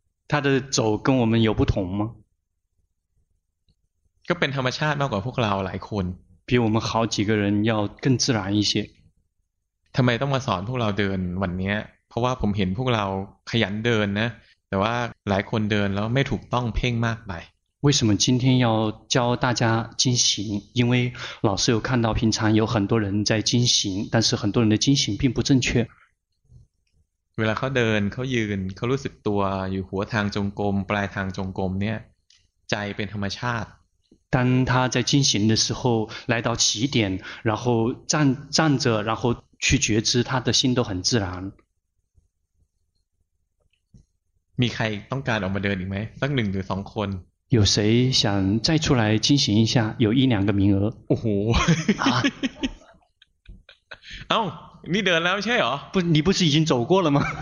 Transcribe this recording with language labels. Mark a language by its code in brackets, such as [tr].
[zh] 他的走跟我们有不同吗 [th] ก็เป็นธรรมชาติมากกว่าพวกเราหลายคน [zh] 比我们好几个人要更自然一些 [th] ทำไมต้องมาสอนพวกเราเดินวันนี้เพราะว่าผมเห็นพวกเราขยันเดินนะแต่ว่าหลายคนเดินแล้วไม่ถูกต้องเพ่งมากไป [zh] 为什么今天要教大家精行？因为老师有看到平常有很多人在精行，但是很多人的精行并不正确。 [th] เวลาเขาเดินเขายืนเขารู้สึกตัวอยู่หัวทางจงกรมปลายทางจงกรมเนี่ยใจเป็นธรรมชาติ [zh] 当他在精行的时候来到起点然后站着然后去觉知他的心都很自然 [th] มีใครต้องการออกมาเดินอีกไหมสักหนึ่งหรือสองคน [zh] 有谁想再出来进行一下？有一两个名额。哦，啊，哦，你得了没？不，你不是已经走过了吗？